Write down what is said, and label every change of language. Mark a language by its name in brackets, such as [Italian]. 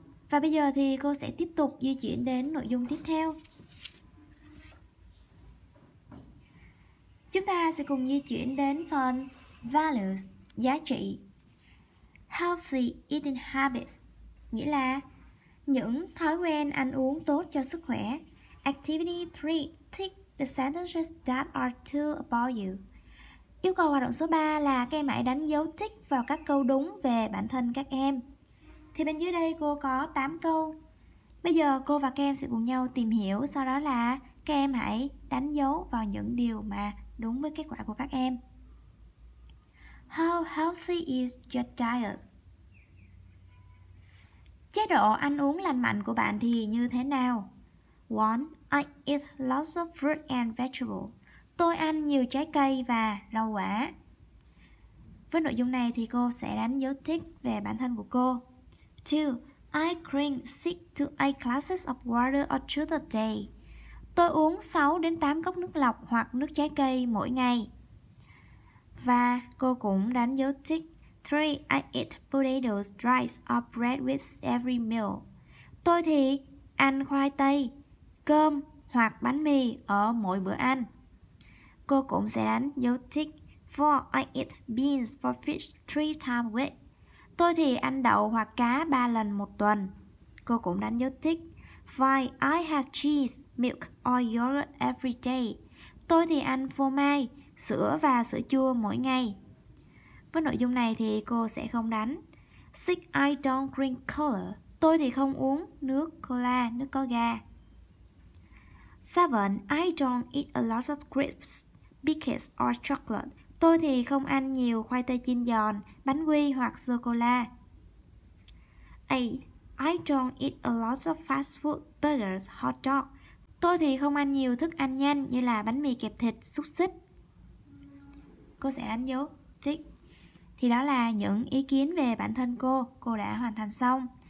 [Vietnamese] Và bây giờ thì cô sẽ tiếp tục di chuyển đến nội dung tiếp theo. Chúng ta sẽ cùng di chuyển đến phần values, giá trị. [English] Healthy eating habits, [Vietnamese] nghĩa là những thói quen ăn uống tốt cho sức khỏe. [English] Activity 3, take the sentences that are true about you. [Vietnamese] Yêu cầu hoạt động số 3 là các em hãy đánh dấu tick vào các câu đúng về bản thân các em. Thì bên dưới đây cô có 8 câu. Bây giờ cô và các em sẽ cùng nhau tìm hiểu, sau đó là các em hãy đánh dấu vào những điều mà đúng với kết quả của các em. [English] How healthy is your diet? [Vietnamese] Chế độ ăn uống lành mạnh của bạn thì như thế nào? 1. [English] I eat lots of fruit and vegetables. [Vietnamese] Tôi ăn nhiều trái cây và rau quả. Với nội dung này thì cô sẽ đánh dấu tick về bản thân của cô. 2. [English] I drink 6 to 8 glasses of water or juice a day. [Vietnamese] Tôi uống 6 đến 8 cốc nước lọc hoặc nước trái cây mỗi ngày. Và cô cũng đánh dấu tick. 3. I eat potatoes, rice or bread with every meal. Tôi thì ăn khoai tây, cơm hoặc bánh mì ở mỗi bữa ăn. Cô cũng sẽ đánh dấu tick. [English] 4. I eat beans for fish 3 times a week. [Vietnamese] Tôi thì ăn đậu hoặc cá 3 lần một tuần. Cô cũng đánh dấu tick. 5. [English] I have cheese, milk or yogurt every day. [Vietnamese] Tôi thì ăn phô mai, sữa và sữa chua mỗi ngày. Với nội dung này thì cô sẽ không đánh. 6. [English] I don't drink cola. [Vietnamese] Tôi thì không uống nước cola, nước có ga. 7. [English] I don't eat a lot of crisps, biscuits or chocolate. [Vietnamese] Tôi thì không ăn nhiều khoai tây chiên giòn, bánh quy hoặc sô-cô-la. 8. [English] I don't eat a lot of fast food, burgers, hot dog. [Vietnamese] Tôi thì không ăn nhiều thức ăn nhanh như là bánh mì kẹp thịt, xúc xích. Cô sẽ đánh dấu tick. Thì đó là những ý kiến về bản thân cô đã hoàn thành xong.